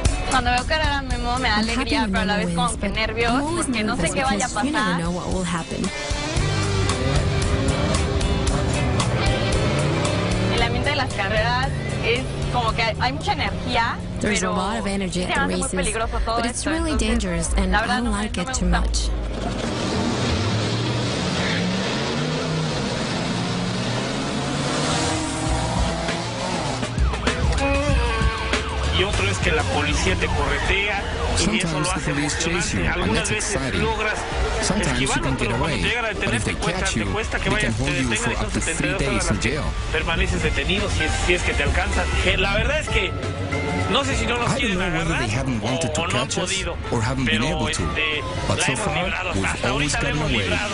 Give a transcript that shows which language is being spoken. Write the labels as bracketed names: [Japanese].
[Spanish] Cuando veo cara de memo me da alegría, pero a la vez como que nervios, porque no sé qué vaya a pasar. [English] You never know what will happen. [Spanish] El ambiente de las carreras es como que hay mucha energía. [English] There's a lot of energy at the races, but it's really dangerous, and I don't like it too much. [Spanish] Y otro es que la policía te corretea. [English] Sometimes the police chase you, and it's exciting. Sometimes you can get away, but if they catch you, they can hold you for up to 3 days in jail. [Spanish] Permaneces detenido si es que te alcanzan. La verdad es que no sé si no los quieren agarrar, [English] whether they haven't wanted to catch us or haven't been able to, but so far we've always gotten away.